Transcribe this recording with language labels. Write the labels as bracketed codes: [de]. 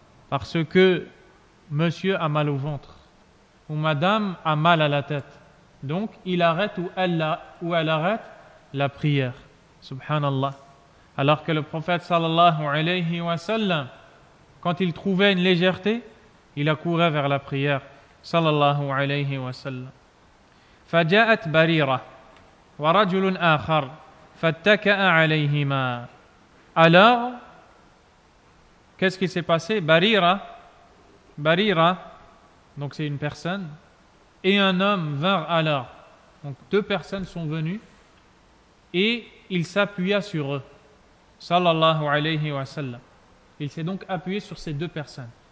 [fr] Parce que monsieur a mal au ventre ou madame a mal à la tête. Donc il arrête ou elle arrête la prière. Subhanallah. Alors que le prophète sallallahu alayhi wa sallam, quand il trouvait une légèreté, il accourait vers la prière sallallahu alayhi wa sallam. [ar] فجاءت بريرة ورجل آخر فاتكأ عليهما. [fr] Alors, qu'est-ce qui s'est passé? Barira, donc c'est une personne, et un homme vinrent alors. Donc deux personnes sont venues et il s'appuya sur eux. Sallallahu alayhi wa sallam. Il s'est donc appuyé sur ces deux personnes.